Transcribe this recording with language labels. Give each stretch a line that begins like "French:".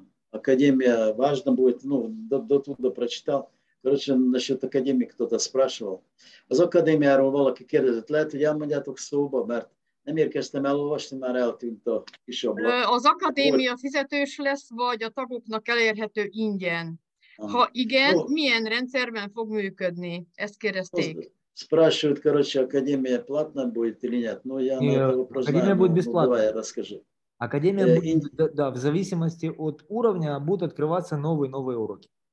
Russian: Академия важно будет, ну, до туда прочитал. Короче, насчет академии кто-то спрашивал.
Hungarian: Az академия arról kérdezett, lehet, hogy elmondjátok szóba, mert nem érkeztem elolvasni, már eltűnt a kis ablak. Az akadémia fizetős lesz, vagy a tagoknak elérhető ingyen? Ha igen, milyen rendszerben fog működni? Ezt kérdezték.
Russian: Спрашивают, короче, академия платная будет или нет? Ну, я на это вопрос знаю. Академия будет бесплатная. Давай, расскажи. Академия будет, в зависимости от уровня будут открываться новые уроки.